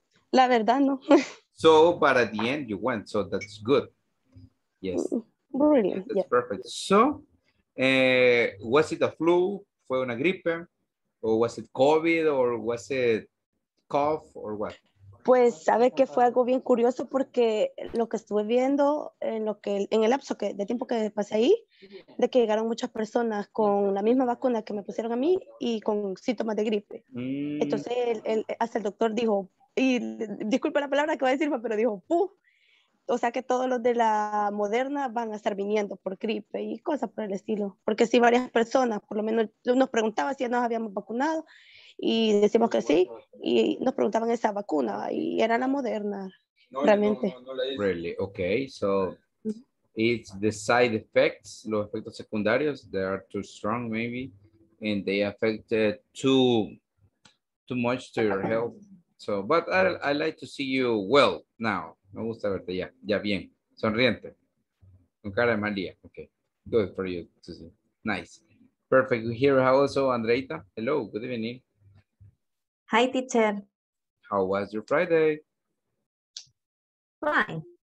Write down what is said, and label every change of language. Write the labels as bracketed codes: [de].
[es] La verdad no. [en] So, but at the end you went, so that's good. Yes. Brilliant. Yeah, that's perfect. So, was it a flu? [es] ¿Fue una gripe? [en] Or was it COVID, or was it cough, or what? [es] Pues, sabe que fue algo bien curioso porque lo que estuve viendo en lo que en el lapso que de tiempo que pasé ahí, de que llegaron muchas personas con la misma vacuna que me pusieron a mí y con síntomas de gripe. Mm. Entonces, hasta el doctor dijo, y disculpe la palabra que voy a decir, pero dijo, ¡puf! O sea que todos los de la Moderna van a estar viniendo por gripe y cosas por el estilo. Porque sí, varias personas, por lo menos nos preguntaban si ya nos habíamos vacunado y decimos que sí. Y nos preguntaban esa vacuna y era la Moderna, no, realmente. [en] No, really, okay. So, it's the side effects, [es] los efectos secundarios, [en] they are too strong maybe. And they affected too much to your health. So, but I like to see you well now. [es] Me gusta verte ya, ya bien, sonriente, con cara de mal día. [en] Okay, good for you, Susie. Nice. Perfect. Here also, Andreita. Hello, good evening. Hi, teacher. How was your Friday? Fine.